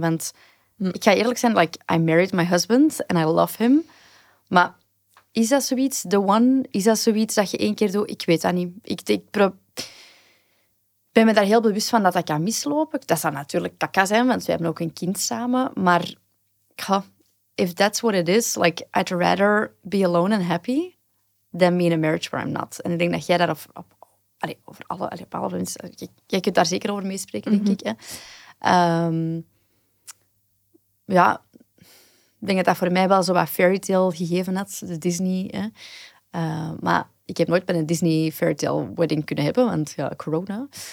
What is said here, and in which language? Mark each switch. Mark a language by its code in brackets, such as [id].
[nl] Want ik ga eerlijk zijn, [en] like, I married my husband and I love him. [nl] Maar is dat zoiets, [en] the one, [nl] is dat zoiets dat je één keer doet? Ik weet dat niet. Ik ben me daar heel bewust van dat dat kan mislopen. Dat zou natuurlijk kaka zijn, want we hebben ook een kind samen. [en] Maar if that's what it is, like, I'd rather be alone and happy than be in a marriage where I'm not. [nl] En ik denk dat jij daar op alle mensen, jij kunt daar zeker over meespreken, denk ik. Hè. Ja, ik denk dat dat voor mij wel zo wat fairy tale gegeven had, de Disney. Hè. Maar ik heb nooit bij een Disney fairy tale wedding kunnen hebben, want ja, corona.